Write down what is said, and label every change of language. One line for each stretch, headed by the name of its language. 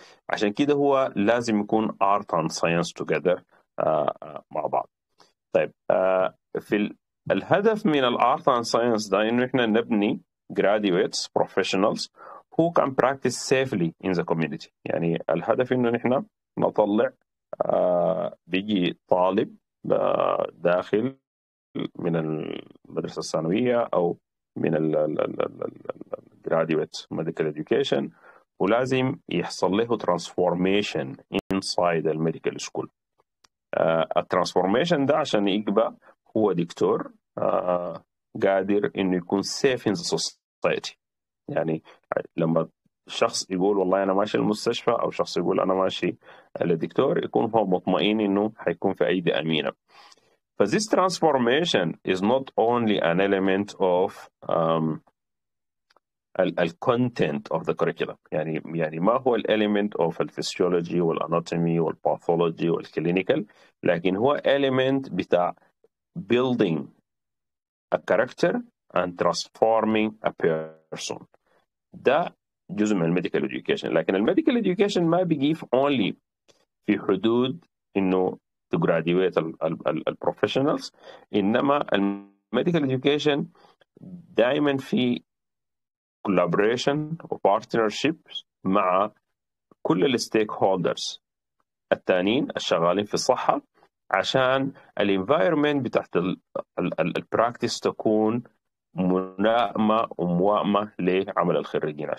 Arabic: عشان كده هو لازم يكون
English: art and science together
Arabic: مع بعض. طيب في الهدف من
English: art and science
Arabic: ده إنه إحنا نبني
English: graduates professionals who can practice safely in the community.
Arabic: يعني الهدف انه نحن نطلع بيجي طالب داخل من المدرسه الثانويه او من ال
English: graduate medical education،
Arabic: ولازم يحصل له
English: transformation inside the medical school.
Arabic: الترانسفورميشن ده عشان يبقى هو دكتور قادر انه يكون
English: safe in the society.
Arabic: يعني لما شخص يقول والله أنا ماشي المستشفى، أو شخص يقول أنا ماشي للدكتور، يكون هو مطمئن إنه حيكون في أيدي أمينة.
English: ف this transformation is not only an element of ال content of the curriculum.
Arabic: يعني ما هو ال
English: element of the physiology والanatomy والpathology والclinical،
Arabic: لكن هو
English: element بتاع building a character and transforming a person.
Arabic: ده جزء من الميديكال education. لكن الميديكال education ما بيجيف only في حدود انه
English: to graduate
Arabic: ال professionals، انما الميديكال education دائما في
English: collaboration و partnerships
Arabic: مع كل ال stakeholders التانيين الشغالين في الصحة، عشان ال environment بتاعت ال practice تكون ملائمة وموائمة لعمل الخريجين.